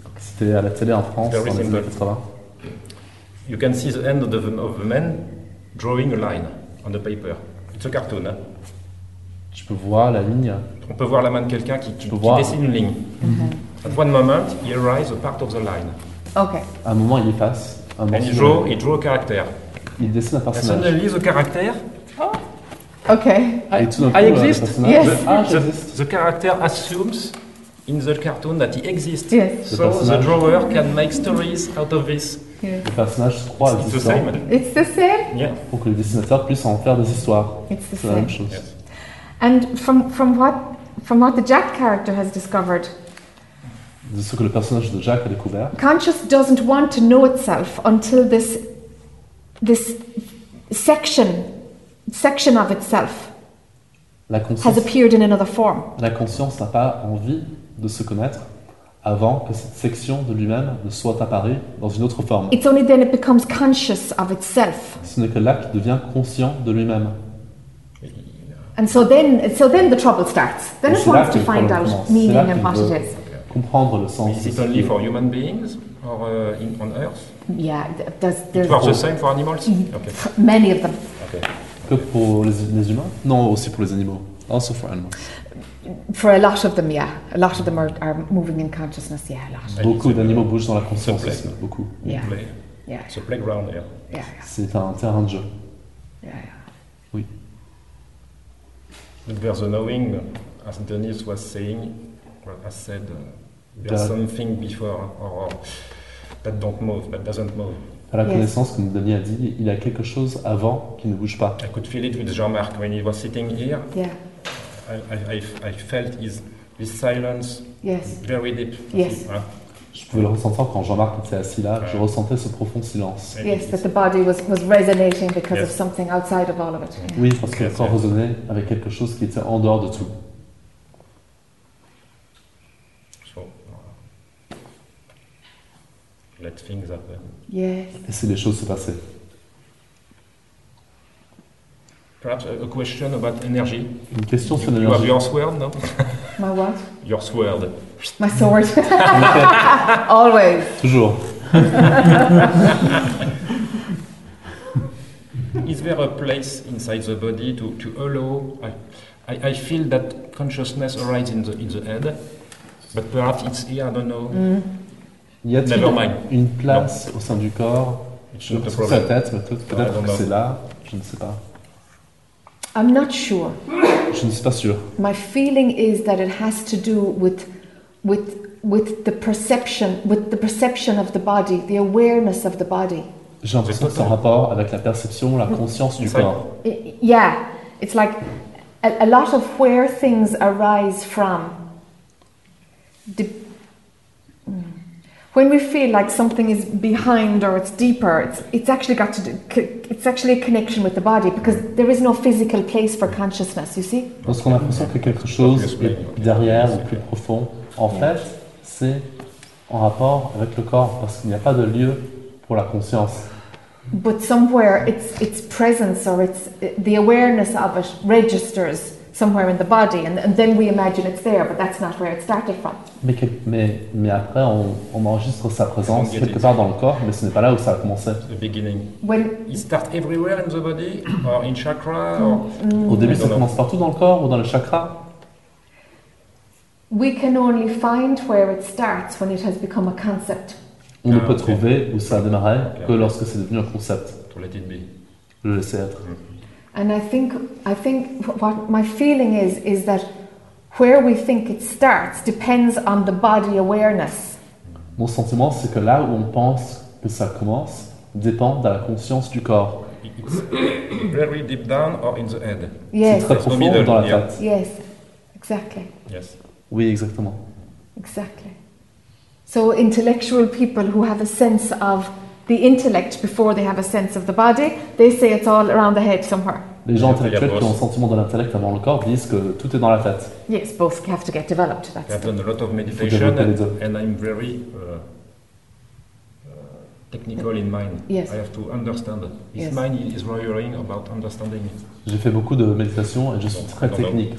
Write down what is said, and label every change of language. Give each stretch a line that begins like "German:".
French: C'était à la télé en France dans les années 80.
English: You can see the end of the man drawing a line on the paper. It's a cartoon. Hein?
French: Tu peux voir la ligne. On peut voir la main de quelqu'un qui dessine une ligne. Mm-hmm.
English: At one moment, he erases a part of the line. Okay.
French: À un moment, il efface. Un
English: And he draw a character.
French: Il dessine un personnage.
English: And suddenly, the character. Oh. Okay. I exist. Yes. The character assumes in the cartoon that he exists. Yes. So the drawer can make stories out of this.
French: Yeah. Le personnage croit à l'histoire.
English: It's the same. Yeah.
French: Pour que le dessinateur puisse en faire des histoires. C'est la même chose.
English: Yes. And from what the Jack character has discovered.
French: De ce que le personnage de Jack a découvert.
English: Conscious doesn't want to know itself until this section of itself has appeared in another form.
French: La conscience n'a pas envie de se connaître avant que cette section de lui-même ne soit apparue dans une autre forme.
English: It's only then it becomes conscious of itself.
French: Ce n'est que là qu'il devient conscient de lui-même.
English: And so then the trouble starts. Then
French: et
English: it wants to find out meaning and what it is.
French: Comprendre le sens.
English: Is it only for human beings or on Earth? Yeah, does there's. It works the same for animals. Okay. Many of them. Okay.
French: Que pour les humains? Non, aussi pour les animaux.
English: Also for animals. For a lot of them, yeah. A lot of them are moving in consciousness, yeah, a lot.
French: Beaucoup d'animaux bougent dans la conscience, beaucoup.
English: Yeah. It's a playground, yeah. Yeah.
French: C'est un terrain de jeu.
English: Yeah, yeah.
French: Oui.
English: But there's a knowing, as Denis was saying, as said, there's something before, or that don't move, that doesn't move.
French: À la connaissance, comme Denis a dit, il y a quelque chose avant qui ne bouge pas.
English: I could feel it with Jean-Marc when he was sitting here. Yeah. I felt his silence, yes. Very deep. Yes.
French: Je pouvais le ressentir quand Jean-Marc était assis là. Je ressentais ce profond silence.
English: Yes, that the body was resonating because of something outside of all of it. Yeah.
French: Oui, parce que le corps résonnait avec quelque chose qui était en dehors de tout.
English: So, let things happen. Yes.
French: Laissez les choses se passer.
English: Perhaps a question about energy.
French: Une question sur l'énergie.
English: You have your sword, no? My what? Your sword. My sword. Always.
French: Toujours.
English: Is there a place inside the body to allow? I feel that consciousness arises in the head, but perhaps it's here, I don't know. Mm. Never mind.
French: Une place au sein du corps, sur sa tête, peut-être que c'est là, je ne sais pas.
English: I'm not sure.
French: Je ne suis pas sûr.
English: My feeling is that it has to do with the perception, with the perception of the body, the awareness of the body.
French: J'ai l'impression que c'est en rapport avec la perception, la conscience du corps.
English: Yeah, it's like a lot of where things arise from. When we feel like something is behind or it's deeper, it's actually got to do, it's actually a connection with the body because there is no physical place for consciousness, you see?
French: Parce qu'on a l'impression que quelque chose est derrière ou plus profond, en fait, c'est en rapport avec le corps parce qu'il n'y a pas de lieu pour la conscience.
English: But somewhere its presence or its the awareness of it registers somewhere in the body, and then we imagine it's there, but that's not where it started from.
French: Mais après, on enregistre sa présence quelque part dans le corps, mais ce n'est pas là où ça a commencé.
English: The beginning. When it starts everywhere in the body, or in chakra, or...
French: Au début, ça commence partout dans le corps ou dans le chakra.
English: We can only find where it starts when it has become a concept.
French: On ne peut trouver où ça a démarré que lorsque c'est devenu un concept.
English: To let it be.
French: Le laisser être. Mm.
English: And I think what my feeling is that where we think it starts depends on the body awareness.
French: Mon sentiment, c'est que là où on pense que ça commence dépend de la conscience du corps.
English: It's very deep down or in the head. Yes.
French: C'est très profond ou dans la tête.
English: Yes, exactly. Yes.
French: Oui, exactement.
English: Exactly. So intellectual people who have a sense of the intellect before they have a sense of the body, they say it's all around the head somewhere.
French: Les gens intellectuels qui ont un sentiment de l'intellect avant le corps disent que tout est dans la tête.
English: Yes, both have to get developed. I've done a lot of meditation and I'm very technical in mind. Yes. I have to understand it. His mind is worrying about understanding it.
French: J'ai fait beaucoup de méditation et je suis très technique.